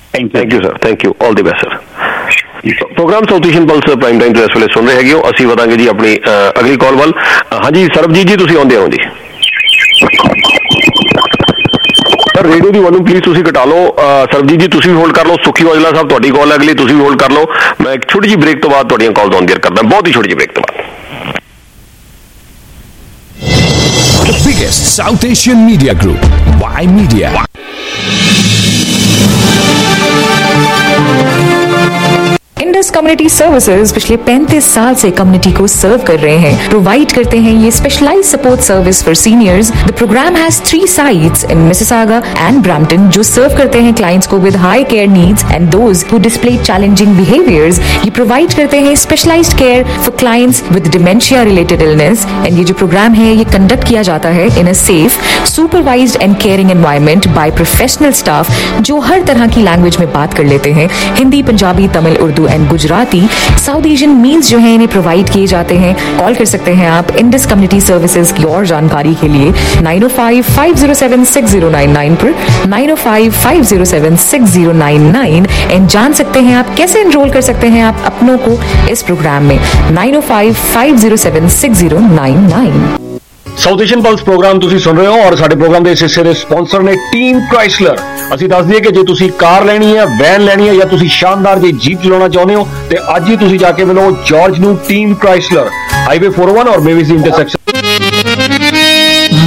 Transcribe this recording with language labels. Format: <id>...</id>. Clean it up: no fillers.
<en>thank you sir thank you all the best sir</en> <pa>programme ਸਾਊਥੀਸ਼ਨ plus prime time ਤੇ ਇਸ ਵੇਲੇ ਸੁਣ ਰਹੇ ਹੈਗੇ ਹੋ ਅਸੀਂ ਵਧਾਂਗੇ ਜੀ ਆਪਣੀ ਅਗਲੀ ਕਾਲ ਵੱਲ ਹਾਂਜੀ ਸਰਬਜੀਤ ਜੀ ਤੁਸੀਂ ਆਉਂਦੇ ਹੋ ਜੀ ਸਰ ਰੇਡੀਓ ਦੀ ਵਾਲੂਮ ਪਲੀਜ਼ ਤੁਸੀਂ ਘਟਾ ਲਓ ਸਰਬਜੀਤ ਜੀ ਤੁਸੀਂ ਵੀ ਹੋਲਡ ਕਰ ਲਓ ਸੁਖੀ ਔਜਲਾ ਸਾਹਿਬ ਤੁਹਾਡੀ ਕਾਲ ਅਗਲੀ ਤੁਸੀਂ ਵੀ ਹੋਲਡ ਕਰ ਲਓ ਮੈਂ ਇੱਕ ਛੋਟੀ ਜਿਹੀ ਬ੍ਰੇਕ ਤੋਂ ਬਾਅਦ ਤੁਹਾਡੀਆਂ ਕਾਲ ਦੌਂਦੀਆਂ ਕਰਦਾ ਬਹੁਤ ਹੀ ਛੋਟੀ ਜਿਹੀ ਬ੍ਰੇਕ ਤੋਂ ਬਾਅਦ</pa> <en>The biggest South Asian media group by media.</en> <hi>Indus community services पिछले 35 साल से कम्युनिटी को सर्व कर रहे हैं प्रोवाइड करते हैं ये</hi> <en>specialised support service for seniors the programme has 3 sites in Mississauga and Brampton</en> <hi>जो सर्व करते हैं क्लाइंट्स को</hi> <en>with high care needs and those who display challenging behaviours</en> <hi>ये प्रोवाइड करते हैं</hi> <en>specialised care for clients with dementia related illness</en> <hi>and ये जो programme है ये कंडक्ट किया जाता है</hi> <en>in a safe supervised and caring environment by professional staff</en> <hi>जो हर तरह की लैंग्वेज में बात कर लेते हैं Hindi Punjabi Tamil Urdu Gujarati south Asian meals जो है इन्हें प्रोवाइड किए जाते हैं कॉल कर सकते हैं आप इंडस कम्युनिटी सर्विसेज की और जानकारी के लिए 905-507-6099 पर 905-507-6099 एंड जान सकते हैं आप कैसे एनरोल कर सकते हैं आप अपनों को इस प्रोग्राम में 905-507-6099</hi> <pa>ਸਾਊਥ ਏਸ਼ੀਅਨ ਪਲਸ ਪ੍ਰੋਗਰਾਮ ਤੁਸੀਂ ਸੁਣ ਰਹੇ ਹੋ ਔਰ ਸਾਡੇ ਪ੍ਰੋਗਰਾਮ ਦੇ ਇਸ ਹਿੱਸੇ ਦੇ ਸਪਾਂਸਰ ਨੇ ਟੀਮ ਕ੍ਰਾਈਸਲਰ ਅਸੀਂ ਦੱਸ ਦਈਏ ਕਿ ਜੇ ਤੁਸੀਂ ਕਾਰ ਲੈਣੀ ਹੈ ਵੈਨ ਲੈਣੀ ਹੈ ਜਾਂ ਤੁਸੀਂ ਸ਼ਾਨਦਾਰ ਜੀ ਜੀਪ ਚਲਾਉਣਾ ਚਾਹੁੰਦੇ ਹੋ ਤੇ ਅੱਜ ਹੀ ਤੁਸੀਂ ਜਾ ਕੇ ਮਿਲੋ ਜਾਰਜ ਨੂੰ ਟੀਮ ਕ੍ਰਾਈਸਲਰ ਹਾਈਵੇ 401 ਔਰ ਮੇਵੀਸ ਇੰਟਰਸੈਕਸ਼ਨ</pa>